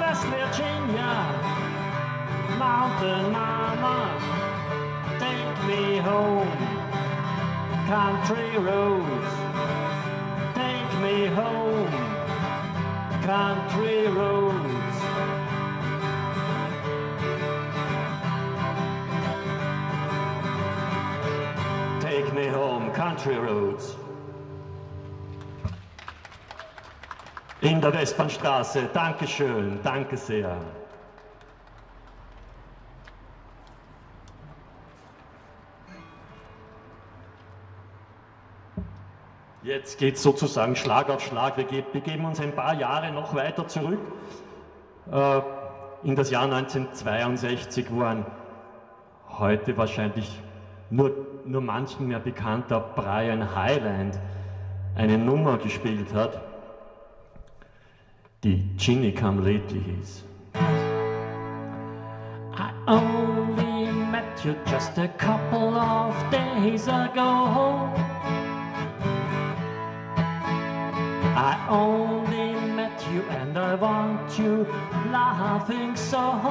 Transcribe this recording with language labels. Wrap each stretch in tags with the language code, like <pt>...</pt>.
<en>West Virginia, mountain mama, take me home, country roads, take me home, country roads. Take me home, country roads.</en> <de>In der Westbahnstraße, danke schön, danke sehr. Jetzt geht es sozusagen Schlag auf Schlag. Wir begeben uns ein paar Jahre noch weiter zurück. In das Jahr 1962, wo ein heute wahrscheinlich nur manchen mehr bekannter Brian Hyland eine Nummer gespielt hat, die Ginny Come Lately hieß.</de> <en>I only met you just a couple of days ago. I only met you and I want you laughing so.</en>